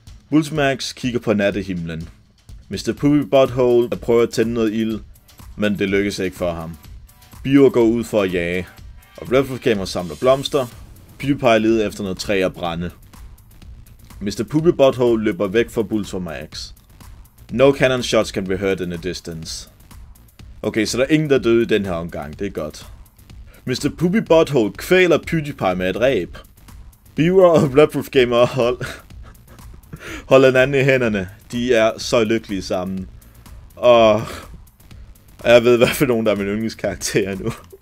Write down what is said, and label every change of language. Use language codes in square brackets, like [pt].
[da] Bullsmax kigger på nattehimlen. Mr. Poopy Butthole prøver at tænde noget ild, men det lykkes ikke for ham. Beaver går ud for at jage, og Battlefield Gamer samler blomster. PewDiePie leder efter noget træ at brænde. Mr. Poopy Butthole løber væk fra Bullsmax. [en] No cannon shots can be heard in the distance. [da] Okay, så der er ingen, der døde i den her omgang. Det er godt. Mr. Poopy Butthole kvæler PewDiePie med et ræb. Beaver og Bloodproof Gamer holder hinanden i hænderne. De er så lykkelige sammen. Og jeg ved, hvad for nogen, der er min yndlingskarakter nu.